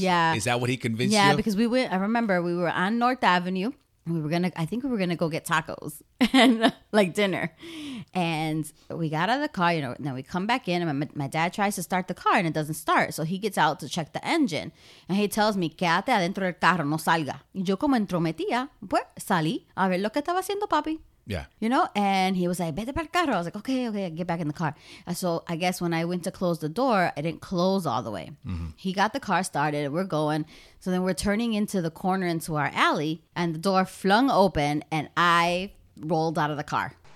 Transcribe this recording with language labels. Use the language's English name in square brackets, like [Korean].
[English] Yeah. Is that what he convinced you? Yeah, because we were on North Avenue. I think we were going to go get tacos and like dinner. And we got out of the car, you know, and then we come back in and my dad tries to start the car and it doesn't start. So he gets out to check the engine and he tells me, [Spanish] quédate adentro del carro, no salga. Y yo como entrometía, pues salí a ver lo que estaba haciendo papi. [English] Yeah. You know, and he was like, [Spanish] vete para el carro. [English] I was like, okay, get back in the car. And so I guess when I went to close the door, I didn't close all the way. Mm-hmm. He got the car started and we're going. So then we're turning into the corner into our alley and the door flung open and I rolled out of the car.